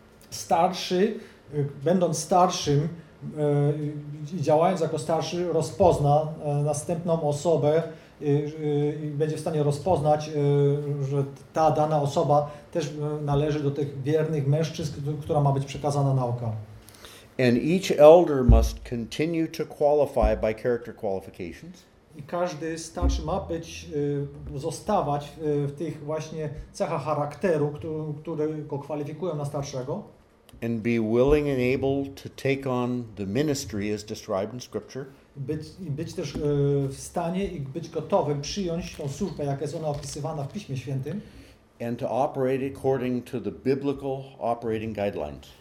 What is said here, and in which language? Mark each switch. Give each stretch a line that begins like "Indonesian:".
Polish: Starszy, będąc starszym i działając jako starszy, rozpozna następną osobę i będzie w stanie rozpoznać, że ta dana osoba też należy do tych wiernych mężczyzn, która ma być przekazana nauka.
English: And each elder must continue to qualify by character qualifications.
Polish: I każdy starszy ma być, zostawać w tych właśnie cechach charakteru, które go kwalifikują na starszego.
English: And be willing and able to take on the ministry as described in Scripture.
Polish: Być też w stanie i być gotowym przyjąć tą służbę, jaka jest ona opisywana w Piśmie Świętym.
English: And to operate according to the biblical operating guidelines.